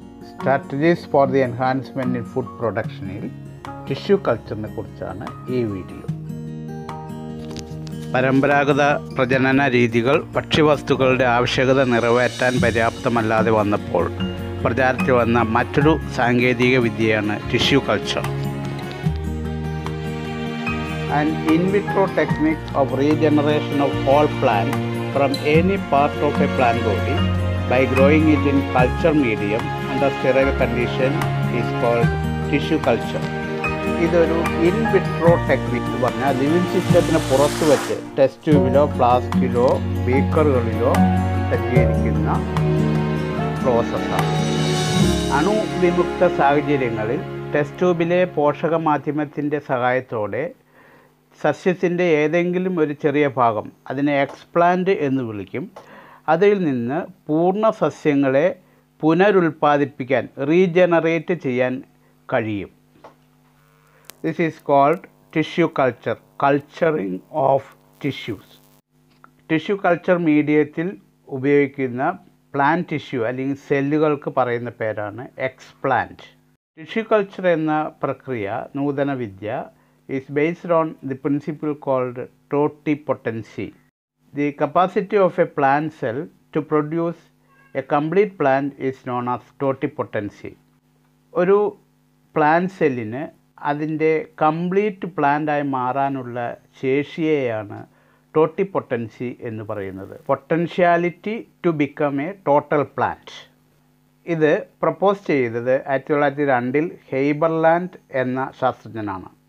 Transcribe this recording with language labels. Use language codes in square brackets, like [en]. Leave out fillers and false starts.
[en] strategies for the enhancement in food [ml] പ്രൊഡക്ഷനിൽ tissue കൾച്ചറിനെ കുറിച്ചാണ് ഈ video. പരമ്പരാഗത പ്രജനന രീതികൾ ഭക്ഷ്യവസ്തുക്കളുടെ ആവശ്യകത നിറവേറ്റാൻ പര്യാപ്തമല്ലാതെ വന്നപ്പോൾ പ്രചാരത്തിൽ വന്ന മറ്റൊരു സാങ്കേതിക വിദ്യയാണ് tissue culture. [en] An in-vitro technique of regeneration of whole plant from any part of a plant body by growing it in culture medium under sterile condition is called tissue culture. [ml] ഇതൊരു ഇൻവിട്രോ ടെക്നിക്ക് എന്ന് പറഞ്ഞാൽ living സിസ്റ്റത്തിന് പുറത്ത് വെച്ച് test ട്യൂബിലോ ഫ്ലാസ്കിലോ ബീക്കറുകളിലോ സജ്ജീകരിക്കുന്ന പ്രോസസ്സാണ്. അണുവിമുക്ത സാഹചര്യങ്ങളിൽ test ട്യൂബിലെ പോഷക മാധ്യമത്തിൻ്റെ സഹായത്തോടെ സസ്യത്തിൻ്റെ ഏതെങ്കിലും ഒരു ചെറിയ ഭാഗം, അതിനെ എക്സ്പ്ലാന്റ് എന്ന് വിളിക്കും, അതിൽ നിന്ന് പൂർണ്ണ സസ്യങ്ങളെ പുനരുൽപ്പാദിപ്പിക്കാൻ റീജനറേറ്റ് ചെയ്യാൻ കഴിയും. [en] This is called tissue culture, culturing of tissues. [ml] Tissue culture മീഡിയത്തിൽ ഉപയോഗിക്കുന്ന പ്ലാന്റ് ടിഷ്യൂ അല്ലെങ്കിൽ സെല്ലുകൾക്ക് പറയുന്ന പേരാണ് എക്സ്പ്ലാന്റ്. ടിഷ്യൂ കൾച്ചർ എന്ന പ്രക്രിയ നൂതന വിദ്യ [en] is based on the principle called totipotency. The capacity of a plant cell to produce a complete plant is known as totipotency. [ml] ഒരു പ്ലാന്റ് സെല്ലിന് അതിൻ്റെ കംപ്ലീറ്റ് പ്ലാന്റായി മാറാനുള്ള ശേഷിയെയാണ് ടോട്ടിപ്പൊട്ടൻസി എന്ന് പറയുന്നത്. [en] Potentiality to become a total plant. [ml] ഇത് പ്രപ്പോസ് ചെയ്തത് 1902 ഹെയ്ബർലാൻഡ് എന്ന ശാസ്ത്രജ്ഞനാണ്.